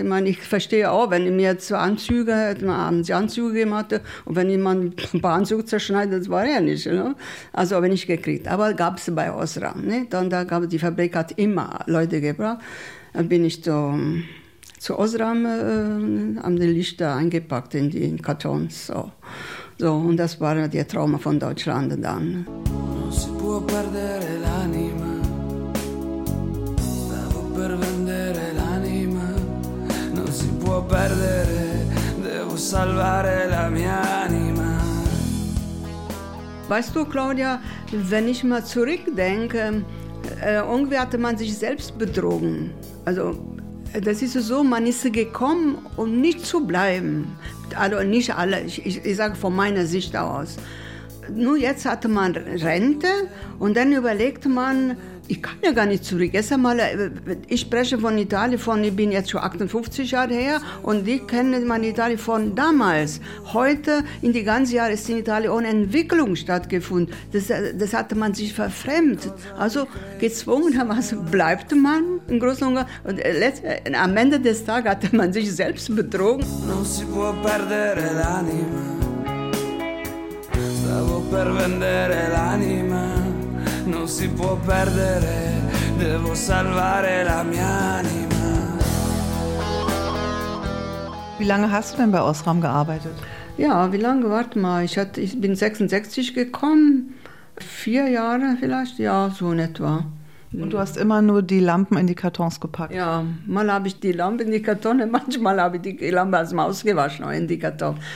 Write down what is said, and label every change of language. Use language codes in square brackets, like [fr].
[de] Ich meine, ich verstehe auch, wenn ich mir jetzt Anzüge, haben sie Anzüge gemacht, und wenn jemand ein paar Anzüge zerschneidet, das war ja nicht. Ne? Also habe ich nicht gekriegt. Aber gab es bei Osram. Ne? Dann da gab es, die Fabrik hat immer Leute gebracht. Dann bin ich zu Osram, haben die Lichter eingepackt in die Kartons. So, und das war der Trauma von Deutschland dann. [it] Non si può perdere l'anima, stavo per vendere l'anima. Non si può perdere, devo salvare la mia anima. [de] Weißt du, Claudia, wenn ich mal zurückdenke, irgendwie hatte man sich selbst betrogen. Also, das ist so, man ist gekommen, um nicht zu bleiben. Also nicht alle, ich sage von meiner Sicht aus. Nur jetzt hatte man Rente und dann überlegt man, ich kann ja gar nicht zurück. Erst einmal, ich spreche von Italien, ich bin jetzt schon 58 Jahre her und ich kenne meine Italien von damals. Heute, in die ganzen Jahre, ist in Italien ohne Entwicklung stattgefunden. Das hatte man sich verfremdet. Also gezwungenermaßen bleibt man in Großlungen. Und am Ende des Tages hatte man sich selbst betrogen. [it] Non si può perdere l'anima. Stavo per vendere l'anima. Non si può perdere, devo salvare la mia anima. [de] Wie lange hast du denn bei Osram gearbeitet? Ja, wie lange? Warte mal, ich bin 66 gekommen, 4 Jahre vielleicht, ja, so in etwa. Und du hast immer nur die Lampen in die Kartons gepackt? Ja, mal habe ich die Lampe in die Kartons, manchmal habe ich die Lampe als Maus gewaschen in die Kartons.